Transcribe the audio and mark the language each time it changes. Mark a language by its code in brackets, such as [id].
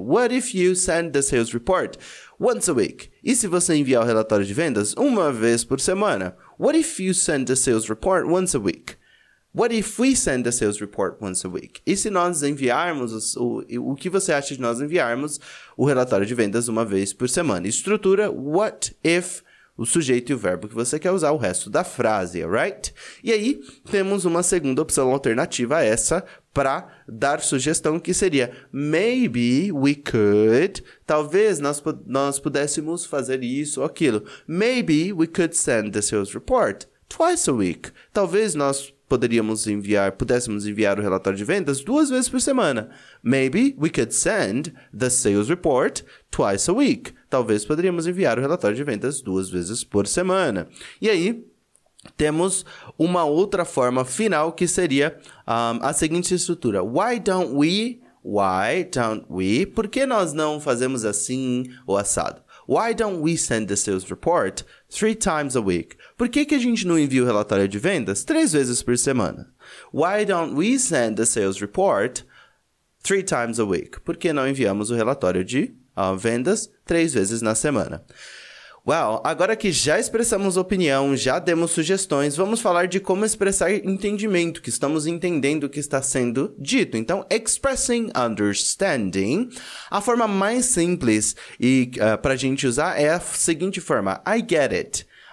[en] What if you send the sales report once a week? [pt] E se você enviar o relatório de vendas uma vez por semana? [en] What if you send the sales report once a week? What if we send the sales report once a week? [pt] E se nós enviarmos, o que você acha de nós enviarmos o relatório de vendas uma vez por semana? Estrutura, what if... O sujeito e o verbo que você quer usar, o resto da frase, alright? E aí, temos uma segunda opção alternativa a essa para dar sugestão, que seria [en] maybe we could, [pt] talvez nós pudéssemos fazer isso ou aquilo. [en] Maybe we could send the sales report twice a week. [pt] Talvez nós pudéssemos enviar o relatório de vendas duas vezes por semana. [en] Maybe we could send the sales report twice a week. [pt] Talvez poderíamos enviar o relatório de vendas duas vezes por semana. E aí, temos uma outra forma final, que seria a seguinte estrutura. [en] Why don't we, [pt] por que nós não fazemos assim ou assado? [en] Why don't we send the sales report 3 times a week? [pt] Por que que a gente não envia o relatório de vendas 3 vezes por semana? [en] Why don't we send the sales report 3 times a week? [pt] Por que não enviamos o relatório de vendas 3 vezes na semana? Well, agora que já expressamos opinião, já demos sugestões, vamos falar de como expressar entendimento, que estamos entendendo o que está sendo dito. Então, [en] expressing understanding, [pt] a forma mais simples para a gente usar é a seguinte forma. [en] I get it.